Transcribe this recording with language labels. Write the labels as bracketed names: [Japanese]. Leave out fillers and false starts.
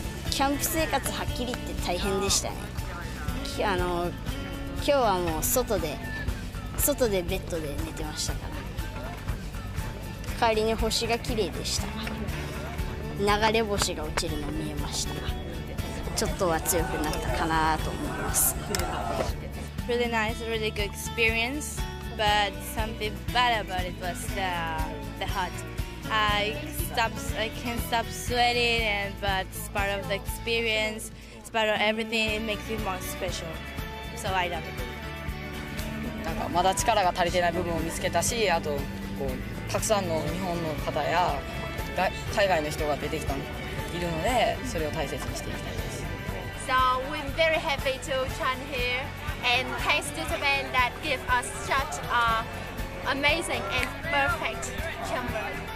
[Japanese] キャンプ生活はっきり言って大変でしたね。今日はもう外でベッドで寝てましたから。帰りに星が綺麗でした。流れ星が落ちるの見えました。ちょっとは強くなったかなと思います。 [English] Really nice, really good experience, but something bad about it was the hot. I can stop sweating, but it's part of the experience, it's part of everything, it makes it more special, so I love it. [Japanese] なんかまだ力が足りてない部分を見つけたし、あとこうたくさんの日本の方や海外の人が出てきたのいるので、それを大切にしていきたいです。 [English] So we're very happy to join here and thanks to the band that give us such an amazing and perfect camera.